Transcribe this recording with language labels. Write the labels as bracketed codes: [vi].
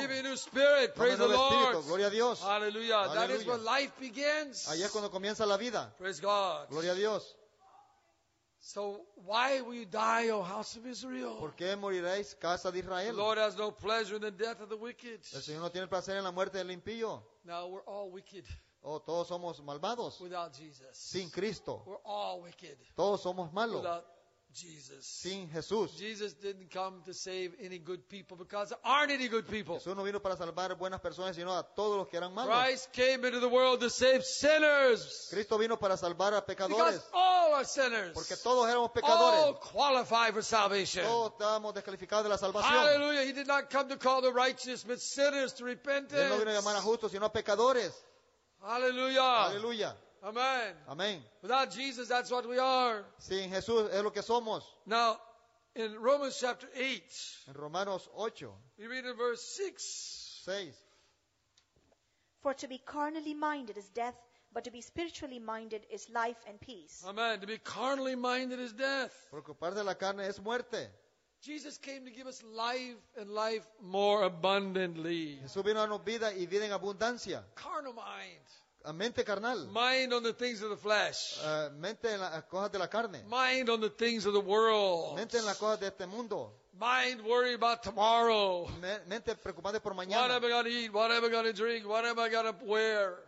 [en] Give me a new spirit. Praise the Lord. [es] Gloria a Dios. [en] Hallelujah. That is where life begins. [es] Ahí es cuando comienza la vida. [en] Praise God. [es] Gloria a Dios. [en] So why will you die, O house of Israel? [es] ¿Por qué moriréis, casa de Israel? [en] The Lord has no pleasure in the death of the wicked. [es] El Señor no tiene placer en la muerte del impío. [en] Now we're all wicked. [es] Oh, todos somos malvados. [en] Without Jesus. [es] Sin Cristo. [en] We're all wicked. [es] Todos somos malos. [en] Without Jesus. [es] Sin Jesús. [en] Jesus didn't come to save any good people because there aren't any good people. [es] Jesús no vino para salvar buenas personas, sino a todos los que eran malos. [en] Christ came into the world to save sinners. [es] Cristo vino para salvar a pecadores. [en] Because all are sinners. [es] Porque todos éramos pecadores. [en] All qualify for salvation. [es] Todos estábamos descalificados de la salvación. [en] Hallelujah. He did not come to call the righteous, but sinners to repentance. [es] Él no vino a llamar a justos, sino a pecadores. [en] Hallelujah. Hallelujah. Amen. Amen. Without Jesus, that's what we are. [es] Sin Jesús es lo que somos. [en] Now, in Romans chapter 8. [es] En Romanos 8. [en] We read in verse 6. 6. For to be carnally minded is death, but to be spiritually minded is life and peace. Amen. To be carnally minded is death. [es] Preocuparse de la carne es muerte. [en] Jesus came to give us life and life more abundantly. [es] Jesús vino a darnos vida y vida en abundancia. [en] Carnal mind. [es] A mente carnal. [en] Mind on the things of the flesh. [es] Mente en las cosas de la carne. [en] Mind on the things of the world. [es] Mente en las cosas de este mundo. [en] Mind worry about tomorrow. [es] Mente preocupada por mañana. [en] What am I going to eat? What am I going to drink? What am I going to wear?